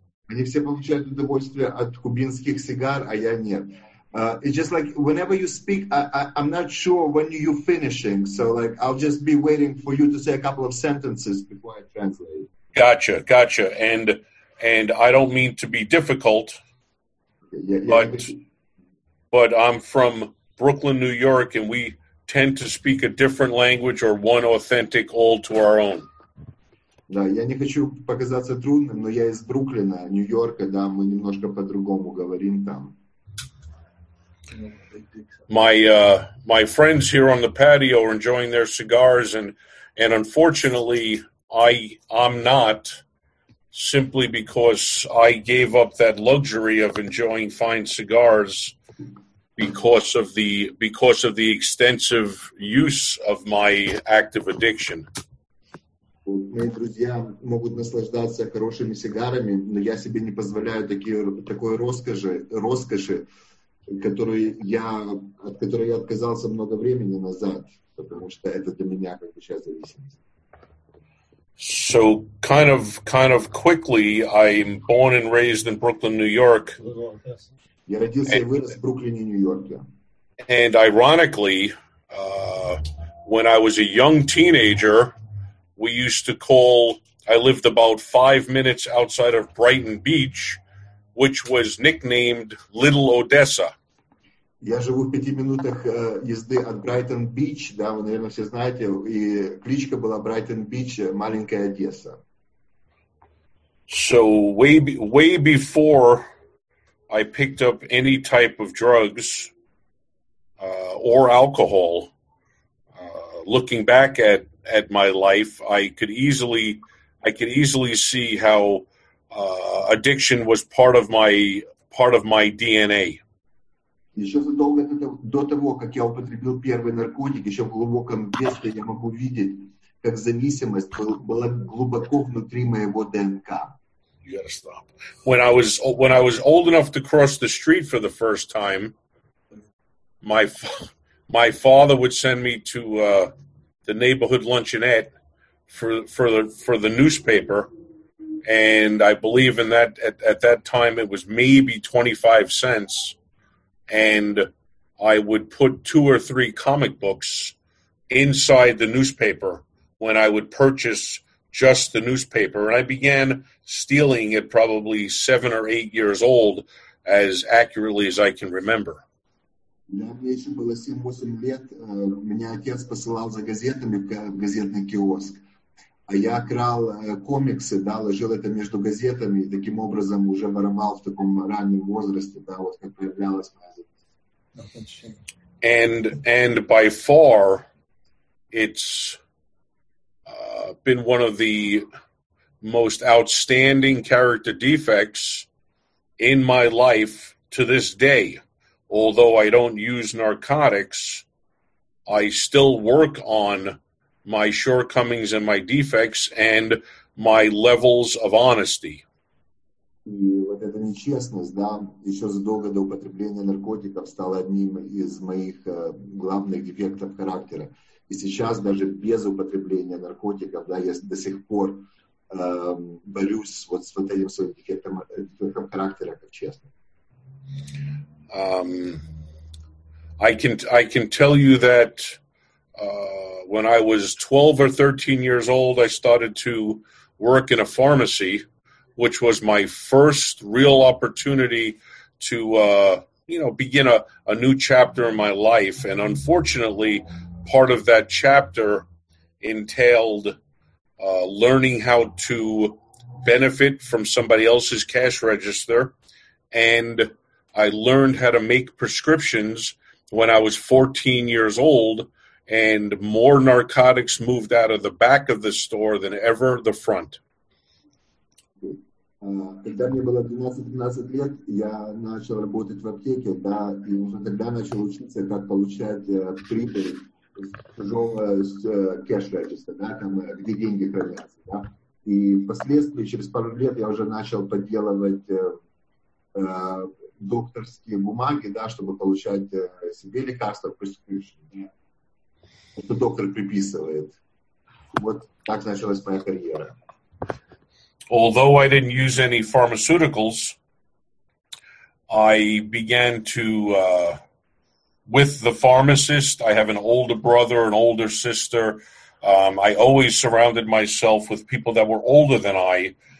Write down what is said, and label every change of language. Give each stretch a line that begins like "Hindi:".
Russian: Они все получают удовольствие от кубинских сигар, а я нет.
English: It's just like whenever you speak, I'm not sure when you're finishing. So, like, I'll just be waiting for you to say a couple of sentences before I translate. Gotcha. And I don't mean to be difficult, but I'm from Brooklyn, New York, and we tend to speak a different language or one authentic all to our own.
Russian: Да, я не хочу показаться трудным, но я из Бруклина, Нью-Йорка, да, мы немножко по-другому говорим там.
English: My friends here on the patio are enjoying their cigars, and unfortunately, I'm not, simply because I gave up that luxury of enjoying fine cigars because of the extensive use of my active addiction.
Russian: Мои друзья могут наслаждаться хорошими сигарами, но я себе не позволяю такой роскоши. От которой я отказался много времени назад, потому что это для меня как бы сейчас зависимость.
English: So kind of quickly, I'm born and raised in Brooklyn, New York.
Russian: Я родился и вырос в Бруклине, Нью-Йорке.
English: And ironically, when I was a young teenager, we used to call. I lived about 5 minutes outside of Brighton Beach, which was nicknamed Little Odessa.
Russian: Я живу в 5 минутах езды от Брайтон-Бич, да, вы, наверное, все знаете, и кличка была Брайтон-Бич, маленькая Одесса.
English: So way before I picked up any type of drugs or alcohol, looking back at my life, I could easily see how addiction was part of my DNA.
Russian: Еще задолго до того, как я употребил первый наркотик, еще в глубоком детстве я могу видеть, как зависимость была глубоко внутри моего ДНК.
English: You gotta stop. When I was old enough to cross the street for the first time, my father would send me to the neighborhood luncheonette for the newspaper, and I believe in that at that time it was maybe 25 cents. And I would put 2 or 3 comic books inside the newspaper when I would purchase just the newspaper. And I began stealing at probably 7 or 8 years old, as accurately as I can remember.
Russian: Мне еще было 7-8 лет. Меня отец посылал за газетами в газетный киоск. А я крал комиксы, да, ложил это между газетами, и таким образом уже воровал в таком раннем возрасте, да, вот как появлялась моя зависимость.
English: And by far, it's been one of the most outstanding character defects in my life to this day. Although I don't use narcotics, I still work on my shortcomings and my defects and my levels of honesty.
Russian: И вот эта нечестность, да, еще задолго до употребления наркотиков стала одним из моих главных дефектов характера. И сейчас даже без употребления наркотиков, да, я до сих пор борюсь вот с вот этим своим дефектом, дефектом характера, как честно.
English: I can tell you that when I was 12 or 13 years old, I started to work in a pharmacy, which was my first real opportunity to, you know, begin a new chapter in my life. And unfortunately, part of that chapter entailed learning how to benefit from somebody else's cash register. And I learned how to make prescriptions when I was 14 years old, and more narcotics moved out of the back of the store than ever the front.
Russian: Когда мне было 12-13 лет, я начал работать в аптеке, да, и уже тогда начал учиться, как получать прибыль с
English: cash register,
Russian: да, там, где деньги хранятся, да. И впоследствии, через пару лет, я уже начал подделывать докторские бумаги, да, чтобы получать себе лекарства,
English: prescription,
Russian: да. Это доктор приписывает. Вот так началась моя карьера.
English: Although I didn't use any pharmaceuticals, I began to, with the pharmacist, I have an older brother, an older sister. I always surrounded myself with people that were older than I.